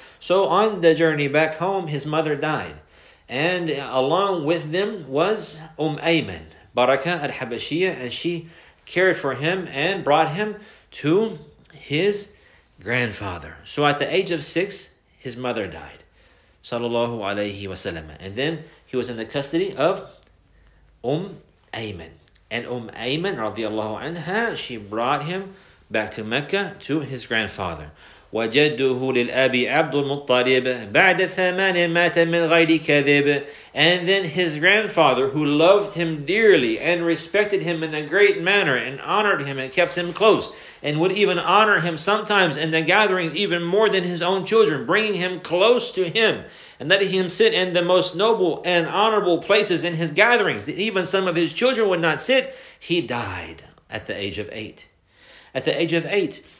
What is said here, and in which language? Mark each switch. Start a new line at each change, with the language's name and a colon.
English: So on the journey back home, his mother died. And along with them was Ayman, Baraka al-Habashiya, and she cared for him and brought him to his grandfather. So at the age of six, his mother died, sallallahu alayhi wa sallam. And then he was in the custody of Ayman. And Ayman, radiallahu anha, she brought him back to Mecca to his grandfather.
Arabic: وجده للأب عبد المطلب بعد ثمان مات من غير كذب.
English: And then his grandfather, who loved him dearly and respected him in a great manner and honored him and kept him close and would even honor him sometimes in the gatherings even more than his own children, bringing him close to him and letting him sit in the most noble and honorable places in his gatherings that even some of his children would not sit, he died at the age of 8. At the age of 8.